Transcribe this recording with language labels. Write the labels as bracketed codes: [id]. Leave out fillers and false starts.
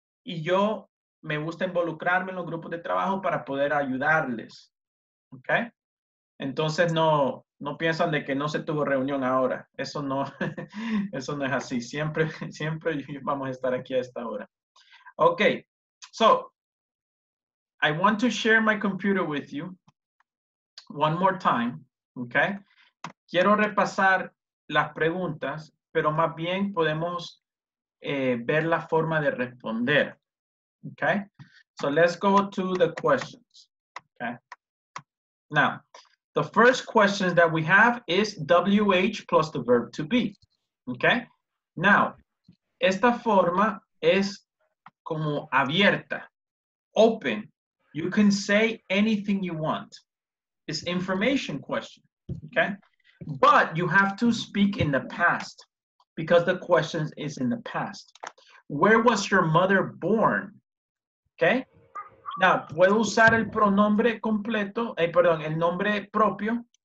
[es] Y yo me gusta involucrarme en los grupos de trabajo para poder ayudarles. ¿Okay? Entonces no piensan de que no se tuvo reunión ahora. Eso no es así. Siempre vamos a estar aquí a esta hora. Okay. [en] So, I want to share my computer with you one more time. Okay. [es] Quiero repasar las preguntas, pero más bien podemos ver la forma de responder. [en] Okay. So, let's go to the questions. Okay. Now, the first question that we have is WH plus the verb to be, okay? [es] Now, esta forma es como abierta, open. [en] You can say anything you want. It's information question, okay? But you have to speak in the past because the question is in the past. Where was your mother born, okay? [es] Now, puedo usar el pronombre completo, el nombre propio.